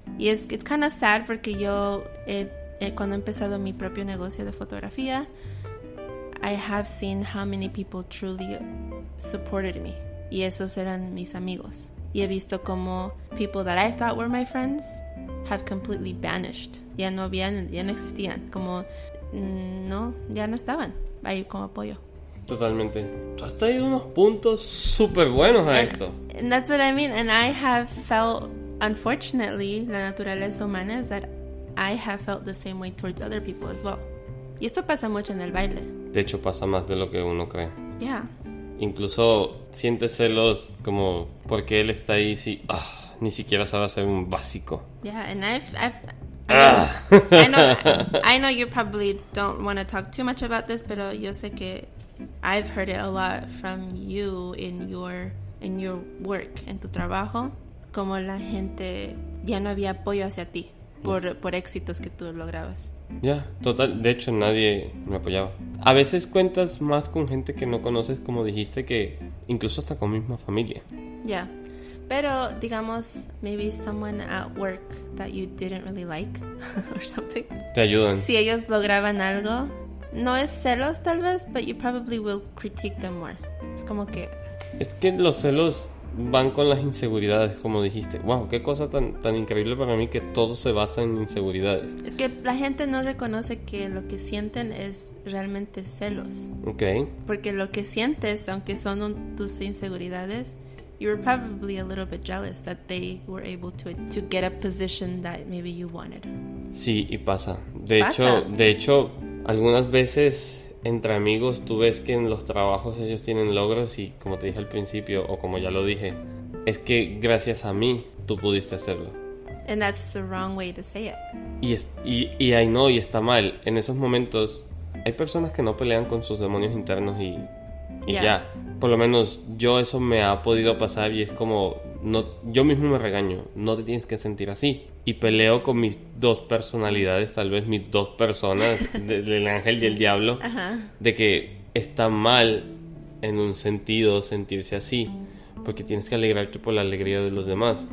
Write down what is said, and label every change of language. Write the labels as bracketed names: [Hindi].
[Spanish] Y [English] it's kind of sad [Spanish] porque yo, cuando he empezado mi propio negocio de fotografía, [English] I have seen how many people truly supported me. [Spanish] Y esos eran mis amigos. Y he visto como [English] people that I thought were my friends have completely vanished. [Spanish] Ya no habían, ya no existían. Como, no, ya no estaban ahí como apoyo. Totalmente. Tú has traído unos puntos súper buenos a esto. [English] And that's what I mean. And I have felt, unfortunately, [Spanish] la naturaleza humana [English] is that I have felt the same way towards other people as well. [Spanish] Y esto pasa mucho en el baile. De hecho, pasa más de lo que uno cree. [English] Yeah. [Spanish] incluso siente celos como porque él está ahí, si ni siquiera sabe hacer un básico. [English] Yeah, and I know you probably don't want to talk too much about this, [Spanish] pero yo sé que [English] I've heard it a lot from you in your work, [Spanish] en tu trabajo, como la gente ya no había apoyo hacia ti por éxitos que tú lograbas. Ya, total, de hecho nadie me apoyaba. A veces cuentas más con gente que no conoces, como dijiste, que incluso hasta con misma familia. Ya, pero digamos, [English] maybe someone at work that you didn't really like or something. [Spanish] Te ayudan. Si ellos lograban algo, no es celos tal vez, [English] but you probably will critique them more. [Spanish] Es como que... Es que los celos van con las inseguridades, como dijiste. Wow, qué cosa tan increíble para mí que todo se basa en inseguridades. Es que la gente no reconoce que lo que sienten es realmente celos. Ok. Porque lo que sientes, aunque son tus inseguridades, [English] you were probably a little bit jealous that they were able to get a position that maybe you wanted. [Spanish] Sí, y pasa. De hecho, algunas veces... Entre amigos, tú ves que en los trabajos ellos tienen logros y, como te dije al principio, o como ya lo dije, es que gracias a mí, tú pudiste hacerlo. [English] And that's the wrong way to say it. [Spanish] Y está mal. En esos momentos, hay personas que no pelean con sus demonios internos y ya. Por lo menos, yo eso me ha podido pasar y es como, no, yo mismo me regaño, no te tienes que sentir así. Y peleo con mis dos personalidades, tal vez mis dos personas, del ángel y el diablo, de que está mal en un sentido sentirse así, porque tienes que alegrarte por la alegría de los demás.